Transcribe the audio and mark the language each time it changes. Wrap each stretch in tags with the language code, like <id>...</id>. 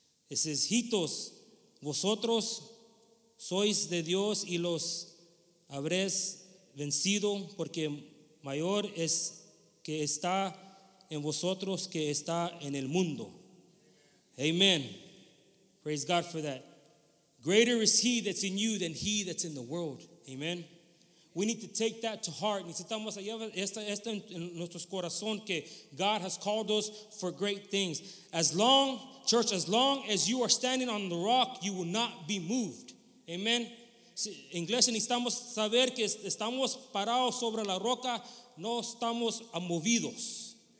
<es>It says, "Hijitos, vosotros sois de Dios y los habréis vencido, porque mayor es que está en vosotros que está en el mundo."</es> <en>Amen. Praise God for that. Greater is he that's in you than he that's in the world. Amen. We need to take that to heart.</en> <es>Necesitamos llevar esto en nuestros corazones, que</es> <en>God has called us for great things. As long, church, as long as you are standing on the rock, you will not be moved. Amen.</en> <es>En inglés necesitamos saber que estamos parados sobre la roca, no estamos movidos.</es>